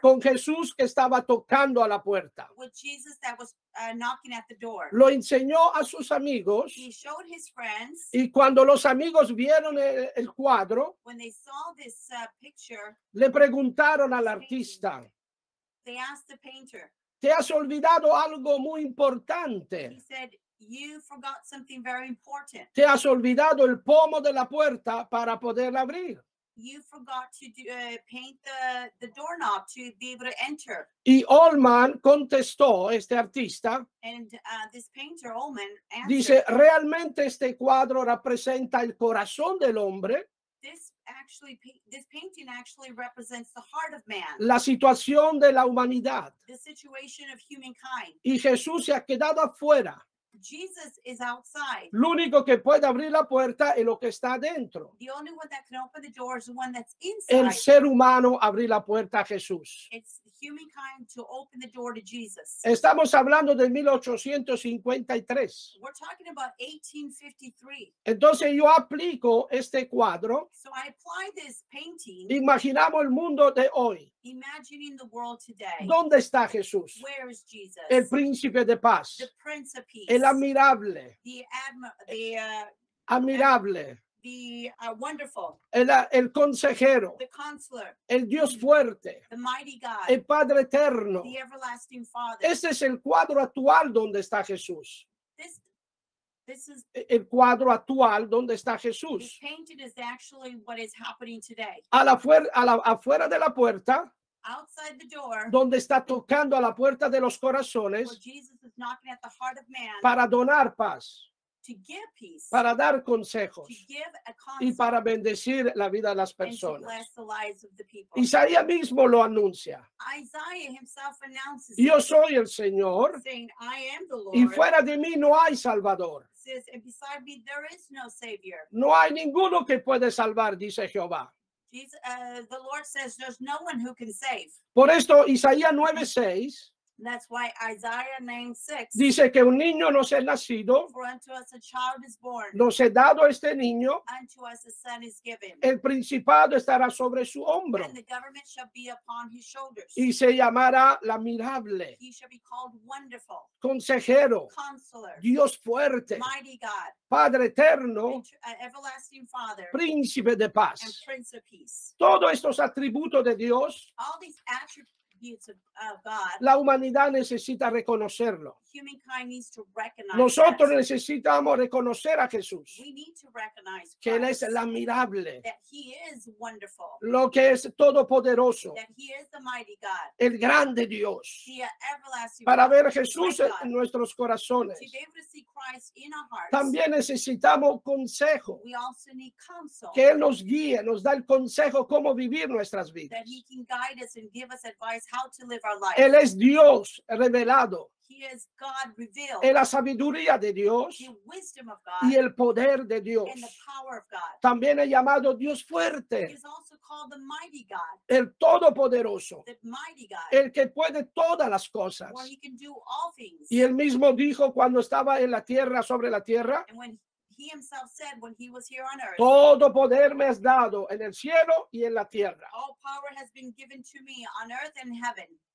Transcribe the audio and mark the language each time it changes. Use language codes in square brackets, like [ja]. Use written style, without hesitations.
[es] Con Jesús que estaba tocando a la puerta. [en] With Jesus that was knocking at the door. [es] Lo enseñó a sus amigos. [en] He showed his friends. [es] Y cuando los amigos vieron el cuadro. [en] When they saw this picture. [es] Le preguntaron al artista. [en] They asked the painter. [es] ¿Te has olvidado algo muy importante? [en] He said, you forgot something very important. [es] ¿Te has olvidado el pomo de la puerta para poderla abrir? [en] You forgot to paint the doorknob to be able to enter. [es] Y Allman contestó, este artista. [en] And this painter, Allman, answered. [es] Dice, realmente este cuadro representa el corazón del hombre. [en] This painting actually represents the heart of man. [es] La situación de la humanidad. [en] The situation of humankind. [es] Y Jesús se ha quedado afuera. [en] Jesus is outside. [es] Lo único que puede abrir la puerta es lo que está dentro. [en] The only one that can open the door is the one that's inside. [es] El ser humano abrir la puerta a Jesús. [en] It's humankind to open the door to Jesus. [es] Estamos hablando de 1853. [en] We're talking about 1853. [es] Entonces yo aplico este cuadro. [en] So I apply this painting. [es] Imaginamos el mundo de hoy. [en] Imagining the world today. [es] ¿Dónde está Jesús? [en] Where is Jesus? [es] El príncipe de paz. [en] The prince of peace. [es] El admirable. [en] The admirable. [es] Wonderful. El consejero. [en] The counselor. [es] El Dios fuerte. [en] The mighty God. [es] El Padre eterno. [en] The everlasting Father. [es] Este es el cuadro actual donde está Jesús. [en] This is [es] el cuadro actual donde está Jesús. [en] This painting is actually what is happening today. [es] Afuera de la puerta. [en] Outside the door. [es] Donde está tocando a la puerta de los corazones. [en] Where Jesus is knocking at the heart of man. [es] Para donar paz. [en] to give peace, [es] para dar consejos, [en] to give a concept, [es] y para bendecir la vida de las personas. [en] And to bless the lives of the people. [es] Isaías mismo lo anuncia. [en] Isaiah himself announces, [es] yo soy el Señor, [en] saying, I am the Lord, [es] y fuera de mí no hay Salvador. [en] Says, and beside me there is no Savior. [es] No hay ninguno que puede salvar, dice Jehová. [en] The Lord says, there's no one who can save. [es] Por esto, Isaías 9:6. [en] That's why Isaiah 9:6. [es] Dice que un niño nos es nacido. [en] For unto us a child is born. [es] Nos es dado este niño. [en] Unto us a son is given. [es] El principado estará sobre su hombro. [en] And the government shall be upon his shoulders. [es] Y se llamará admirable. [en] He shall be called wonderful. [es] Consejero. [en] Counselor. [es] Dios fuerte. [en] Mighty God. [es] Padre eterno. [en] Everlasting Father. [es] Príncipe de paz. [en] And Prince of Peace. [es] Todos estos atributos de Dios. [en] All these attributes. God, [es] la humanidad necesita reconocerlo. [en] Humankind needs to recognize. [es] Nosotros necesitamos reconocer a Jesús. [en] We need to recognize Christ, [es] que Él es el admirable. [en] That He is wonderful. [es] Lo que es todopoderoso. [en] That He is the mighty God. [es] El grande Dios. [en] The everlasting. [es] Para [en] God, [es] ver a Jesús en nuestros corazones. [en] To be able to see Christ in our hearts. [es] También necesitamos consejo. [en] We also need counsel. [es] Que Él nos guíe, nos da el consejo cómo vivir nuestras vidas. [en] That He can guide us and give us advice. How to live our life. [es] Él es Dios revelado. [en] He is God revealed. [es] Es la sabiduría de Dios. [en] The wisdom of God. [es] Y el poder de Dios. [en] And the power of God. [es] También es llamado Dios fuerte. [en] He is also called the mighty God. [es] El todopoderoso. [en] The mighty God. [es] El que puede todas las cosas. [en] Where he can do all things. [es] Y él mismo dijo cuando estaba en la tierra, sobre la tierra. [en] And when he himself said when he was here on earth. [es] Todo poder me has dado en el cielo y en la tierra. [en] All power has been given to me on earth and heaven.